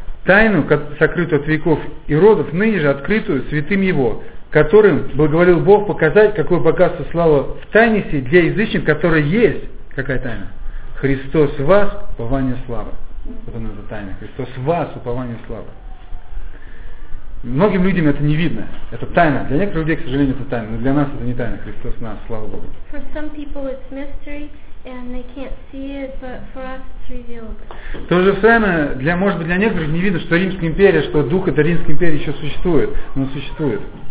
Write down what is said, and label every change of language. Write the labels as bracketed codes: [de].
[ru] Тайну, сокрытую от веков и родов, ныне же открытую святым Его, которым благоволил Бог показать, какое богатство славы в тайне сей для язычников, которая есть. Какая тайна? Христос в вас, упование славы. Вот она эта тайна. Христос в вас, упование славы. Многим людям это не видно. Это тайна. Для некоторых людей, к сожалению, это тайна. Но для нас это не тайна. Христос в нас, слава Богу. [en] For some people it's mystery And they can't see it, but for us it's revealed. [ru] То же самое, для, может быть, для некоторых не видно, что Римская империя, что дух этой Римской империи еще существует, но существует.